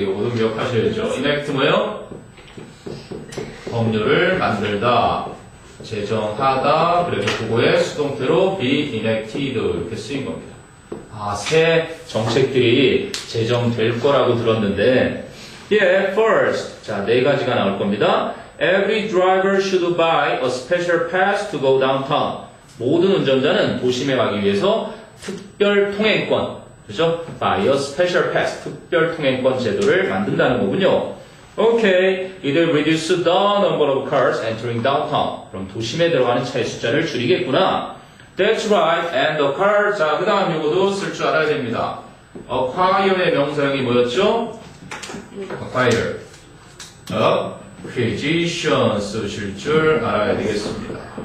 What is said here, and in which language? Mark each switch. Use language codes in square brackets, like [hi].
[ko] 이것도 기억하셔야죠. Enact 뭐요? 법률을 만들다, 제정하다, 그리고 그거의 수동태로 be enacted 이렇게 쓰인 겁니다. 아, 새 정책들이 제정될 거라고 들었는데, [en] yeah, first. [ko] 자, 네 가지가 나올 겁니다. [en] Every driver should buy a special pass to go downtown. [ko] 모든 운전자는 도심에 가기 위해서 특별 통행권, 그죠? [en] Buy a special pass, [ko] 특별 통행권 제도를 만든다는 거군요. [en] Okay, it will reduce the number of cars entering downtown. [ko] 그럼 도심에 들어가는 차의 숫자를 줄이겠구나. [en] That's right, and the car. [ko] 자, 그 다음 요거도 쓸 줄 알아야 됩니다. Acquire의 명사형이 뭐였죠? Acquire. Acquisition 쓰실 줄 알아야 되겠습니다.